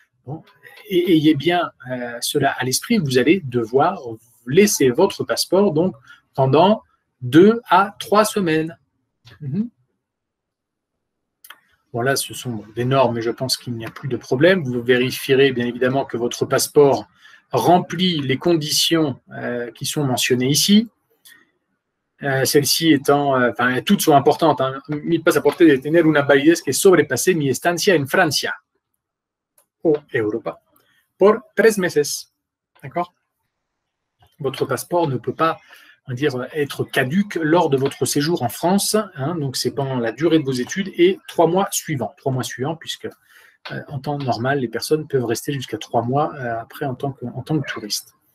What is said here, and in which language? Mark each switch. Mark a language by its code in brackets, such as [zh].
[fr] Bon. » Et ayez bien cela à l'esprit, vous allez devoir laisser votre passeport donc, pendant 2 à 3 semaines. Mmh. Bon, là, ce sont des normes, mais je pense qu'il n'y a plus de problème. Vous vérifierez bien évidemment que votre passeport remplit les conditions qui sont mentionnées ici. Celles-ci étant, toutes sont importantes. Hein. [es] Mi pasaporte de tener una validez que sobrepasse mi estancia en Francia o Europa por 3 meses. [fr] D'accord ? Votre passeport ne peut pas dire être caduque lors de votre séjour en France, hein, donc c'est pendant la durée de vos études et 3 mois suivants. 3 mois suivants, puisque en temps normal, les personnes peuvent rester jusqu'à 3 mois après en tant que touriste.